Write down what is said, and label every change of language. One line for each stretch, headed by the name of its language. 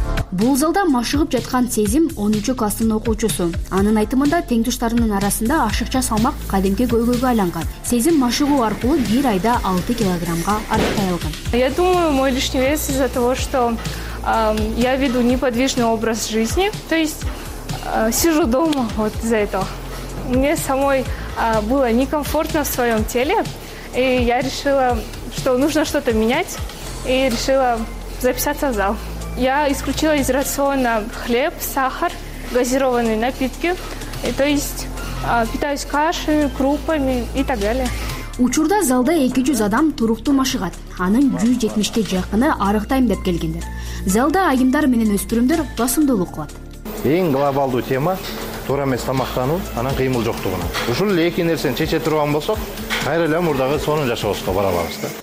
Kyrgyz: Бул залда машыгып жаткан Сезим 13 класстын окуучусу. Анын айтымында теңдештеринин арасында ашыкча салмак кадимки көйгөйгө айланган. Сезим машыгуу аркылуу бир айда 6 килограммга арыктай алган.
Russian: Я думаю, мой лишний вес из-за того, что я веду неподвижный образ жизни, то есть сижу дома вот из-за этого. Мне самой было некомфортно в своем теле, и я решила, что нужно что-то менять, и решила записаться в зал. Я исключила из рациона хлеб, сахар, газированные напитки, То есть питаюсь кашей, крупами и так далее.
Kyrgyz: Учурда залда 200 адам туруктуу машыгат. Анын 170ге жакыны арыктайм деп келгендер. Залда айымдар менен өспүрүмдөр басымдуулук кылат. Эң глобалдуу тема туура эмес тамактануу, анан кыймыл жоктугуна. Ушул эле эки нерсени чече турган болсок, кайра эле мурдагы сонун жашообузга бара алабыз да.